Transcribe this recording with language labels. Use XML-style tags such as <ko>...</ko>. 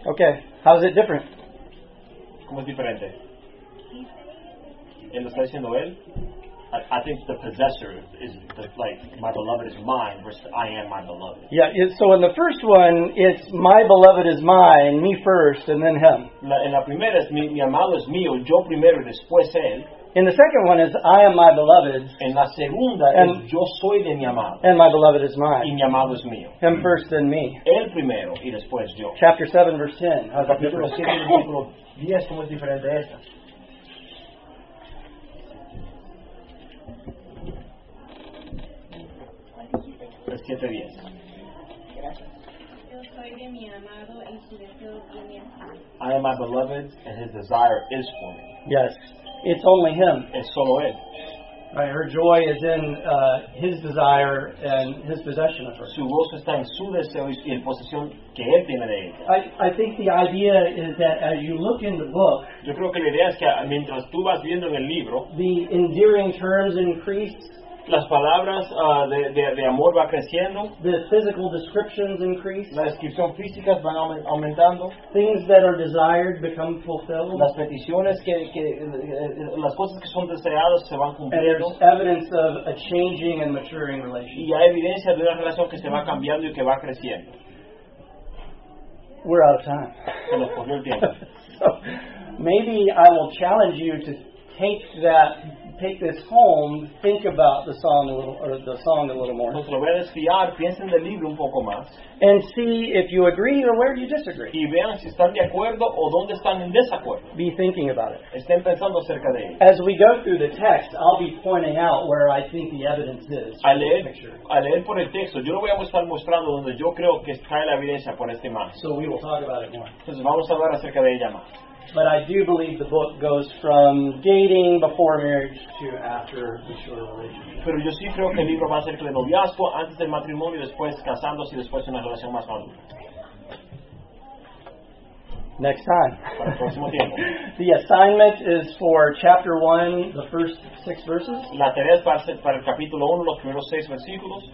<en>Okay. How is it different?</en> <es>¿Cómo es diferente? Él lo está diciendo él.</es> <en>I think the possessor is like my beloved is mine versus I am my beloved. Yeah, so in the first one it's my beloved is mine, me first and then him.</en> <es>En la primera es mi amado es mío, yo primero y después él.</es> <en>In the second one is I am my beloved.</en> <es>En la segunda es yo soy de mi amado.</es> <en>And my beloved is mine.</en> <es>Y mi amado es mío.</es> <en>Him first and me.</en> <es>Él primero y después yo.</es> <en>Chapter 7 verse 10.</en> <es>Capítulo 7 versículo 10, ¿cómo es diferente esta?</es> <en>I am my beloved, and his desire is for me. Yes, it's only him.</en> <es>Es solo él.</es> <en>Right, her joy is in his desire and his possession of her.</en> <es>Su gozo está en su deseo y en posesión que él tiene de ella.</es> <en>I think the idea is that as you look in the book,</en> <es>yo creo que la idea es que mientras tú vas viendo en el libro,</es> <en>the endearing terms increase.</en> <es>Las palabras de amor va creciendo.</es> <en>The physical descriptions increase.</en> <es>La descripción física va aumentando.</es> <en>Things that are desired become fulfilled.</en> <es>Las peticiones que las cosas que son deseadas se van cumpliendo.</es> <en>And there's evidence of a changing and maturing relationship.</en> <es>Y hay evidencia de una relación que se va cambiando y que va creciendo.</es> <en>We're out of time.</en> <es>Se nos corrió el tiempo.</es> <en>So, maybe I will challenge you to take this home, think about the song a little, or the song a little more.</en> <es>Pues lo voy a desfiar, piensen del libro un poco más.</es> <en>And see if you agree or where you disagree.</en> <es>Y vean si están de acuerdo o dónde están en desacuerdo.</es> <en>Be thinking about it.</en> <es>Estén pensando acerca de ello.</es> <en>As we go through the text, I'll be pointing out where I think the evidence is.</en> <es>A leer por el texto, yo lo voy a estar mostrando donde yo creo que está la evidencia por este imagen.</es> <en>So we will talk about it more.</en> <es>Entonces vamos a hablar acerca de ella más.</es> <en>But I do believe the book goes from dating before marriage to after mature relationship.</en> <es>Pero yo sí creo que el libro va a ser de noviazgo, antes del matrimonio, después casándose y después una relación más madura.</es> <en>Next time. The assignment is for chapter 1, the first 6 verses.</en> <es>La tarea es para el capítulo 1, los primeros 6 versículos.</es>